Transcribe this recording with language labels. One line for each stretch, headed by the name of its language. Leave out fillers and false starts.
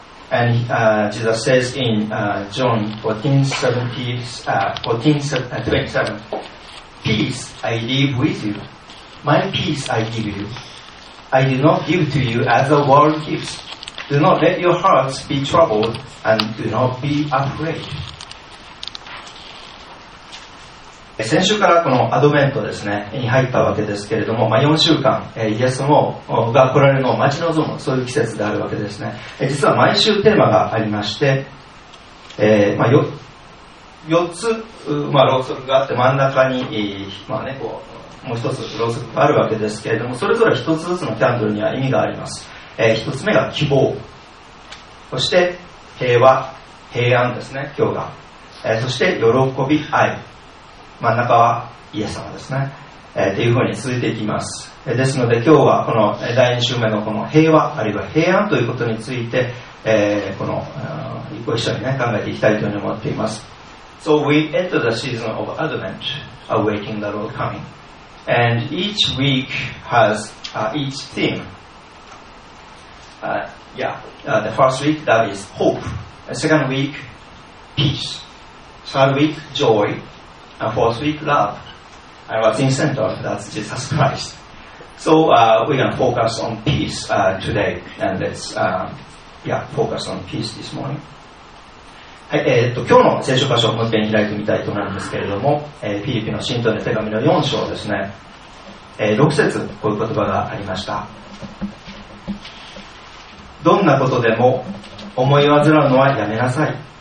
English: And Jesus says in John 14:27, Peace I leave with you, my peace I give you. I do not give to you as the world gives. Do not let your hearts be troubled and do not be afraid.
Japanese: 先週からこのアドベントですねに入ったわけですけれども、まあ、4週間イエスもが来られるのを待ち望む、そういう季節であるわけですね。実は毎週テーマがありまして、まあ、4つ、まあ、ろうそくがあって真ん中に、まあね、こうもう1つろうそくがあるわけですけれども、それぞれ1つずつのキャンドルには意味があります。一つ目が希望、そして平和、平安ですね、今日が、そして喜び、愛、真ん中はイエス様ですね、というふうに続いていきます。ですので今日はこの第2週目のこの平和あるいは平安ということについて、この、ご一緒に、ね、考えていきたいというふうに思っています。
English: So we enter the season of Advent, awaiting the Lord coming. And each week has each themethe first week, that is hope. Second week, peace. Third week, joy. And fourth week, love. And what's in center, that's Jesus Christ. So we're going to focus on peace today. And let's focus on peace this morning.
Japanese: はい、今日の聖書箇所をもう一遍開いてみたいと思うんですけれども、フィリピの信徒の手紙の4章ですね、6節、こういう言葉がありました。どんなことでも思い患うのはやめなさい。